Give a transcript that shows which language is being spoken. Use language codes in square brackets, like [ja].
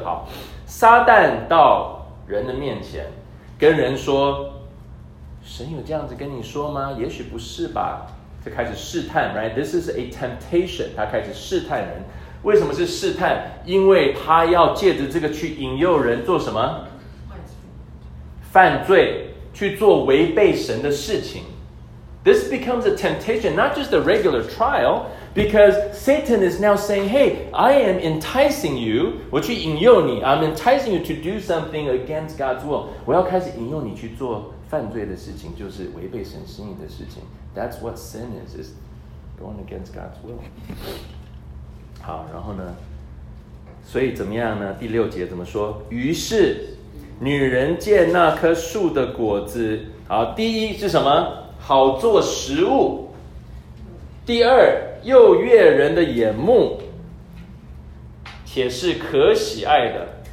[zh] 好，撒旦到人的面前跟人说，神有这样子跟你说吗？也许不是吧。这开始试探， right? [en] This is a temptation. [zh] 他开始试探人。为什么是试探？因为他要借着这个去引诱人做什么？犯罪，去做违背神的事情。 [en] This becomes a temptation, not just a regular trial, because Satan is now saying, hey, I am enticing you, [zh] 我去引诱你， [en] I'm enticing you to do something against God's will. [zh] 我要开始引诱你去做犯罪的事情，就是违背神心意的事情。 [en] That's what sin is going against God's will. [zh] 好，然后呢，所以怎么样呢？第六节怎么说？于是女人见那棵树的果子，好，第一是什么？好做食物。第二，又悦人的眼目，且是可喜爱的。